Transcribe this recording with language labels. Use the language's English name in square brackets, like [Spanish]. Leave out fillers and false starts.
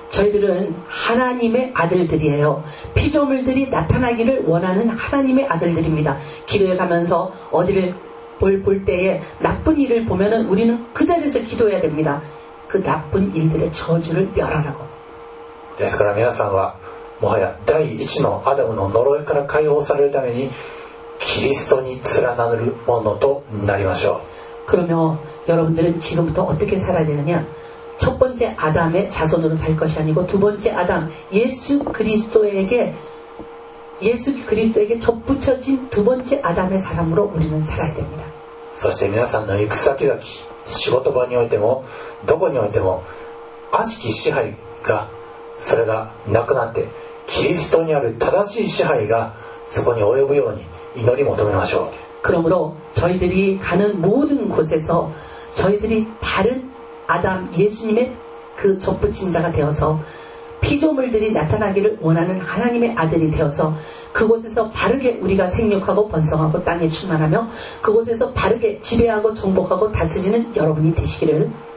[Korean] 저희들은하나님의아들들이에요피조물들이나타나기를원하는하나님의아들들입니다길을가면서어디를볼때에나쁜일을보면은우리는그자리에서기도해야됩니다그나쁜일들의저주를멸하라고 [Japanese] ですから皆さんはもはや第一のアダムの呪いから解放されるためにキリストに連なるものとなりましょう [Korean] 그러면여러분들은지금부터어떻게살아야되느냐 첫 번째 아담의 자손으로 살 것이 아니고 두 번째 아담 예수 그리스도에게 예수 그리스도에게 접붙여진 두 번째 아담의 사람으로 우리는 살아야 됩니다. [Japanese] そして皆さんの行く先々仕事場においてもどこにおいても悪しき支配がそれがなくなってキリストにある正しい支配がそこに及ぶように祈り求めましょう。 [Korean] 그러므로 저희들이 가는 모든 곳에서 저희들이 바른 아담 예수님의 그 접붙인 자가 되어서 피조물들이 나타나기를 원하는 하나님의 아들이 되어서 그곳에서 바르게 우리가 생육하고 번성하고 땅에 충만하며 그곳에서 바르게 지배하고 정복하고 다스리는 여러분이 되시기를